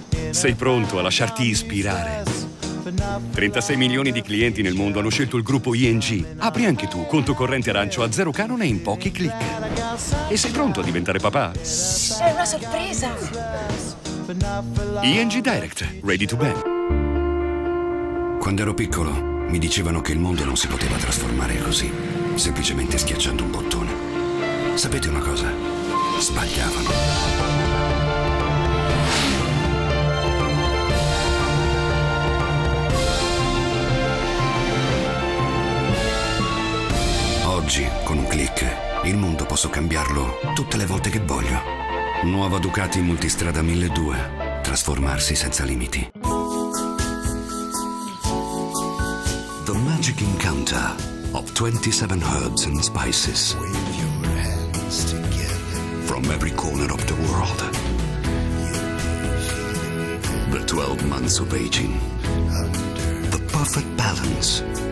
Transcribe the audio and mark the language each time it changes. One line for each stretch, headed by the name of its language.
Italian: Sei pronto a lasciarti ispirare? 36 milioni di clienti nel mondo hanno scelto il gruppo ING. Apri anche tu conto corrente arancio a zero canone in pochi clic. E sei pronto a diventare papà? È una sorpresa!
English: ING Direct, ready to bank.
Italian: Quando ero piccolo, mi dicevano che il mondo non si poteva trasformare così, semplicemente schiacciando un bottone. Sapete una cosa? Sbagliavano. Oggi, con un click, il mondo posso cambiarlo tutte le volte che voglio. Nuova Ducati Multistrada 1002. Trasformarsi senza limiti.
English: The magic encounter of 27 herbs and spices. Wave your hands together. From every corner of the world. The 12 months of aging. The perfect balance.